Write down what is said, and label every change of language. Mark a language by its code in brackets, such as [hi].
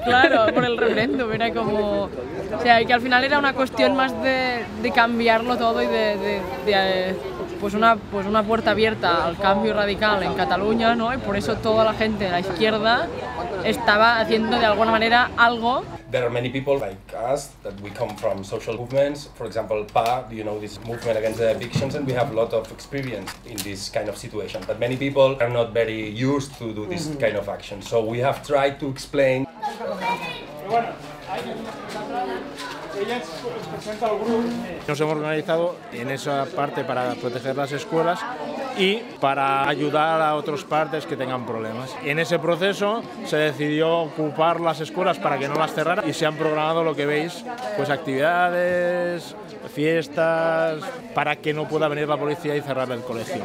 [es] Claro, por el referéndum. Era como... O sea, que al final era una cuestión más de cambiarlo todo y de pues una puerta abierta al cambio radical en Cataluña, ¿no? Y por eso toda la gente de la izquierda estaba haciendo de alguna manera algo. [en] There are many people like us that we come from social movements, for example, PA, you know, this movement against the evictions, and we have a lot of experience in this kind of situation. But many people are not very used to do this kind of action. So we have tried to explain. [es] Nos hemos organizado en esa parte para proteger las escuelas y para ayudar a otras partes que tengan problemas. En ese proceso se decidió ocupar las escuelas para que no las cerraran y se han programado, lo que veis, pues actividades, fiestas, para que no pueda venir la policía y cerrar el colegio.